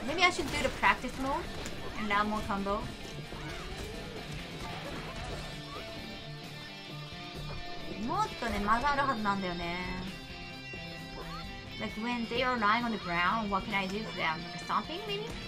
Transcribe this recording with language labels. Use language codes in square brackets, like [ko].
[en] Maybe I should do the practice mode and learn more combo. [ja] もっとね、間があるはずなんだよね。 [en] Like when they are lying on the ground, what can I do for them? Like stomping, maybe?